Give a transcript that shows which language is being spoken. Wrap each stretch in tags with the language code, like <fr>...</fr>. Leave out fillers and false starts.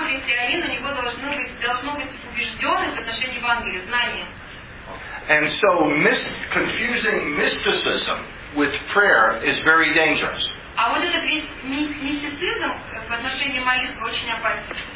<ru>любой христианин, у него должно быть убежденность в отношении Евангелия, знание.</ru> <en>And so confusing mysticism with prayer is very dangerous.</en> <ru>А вот этот мистицизм в отношении молитвы очень опасен.</ru>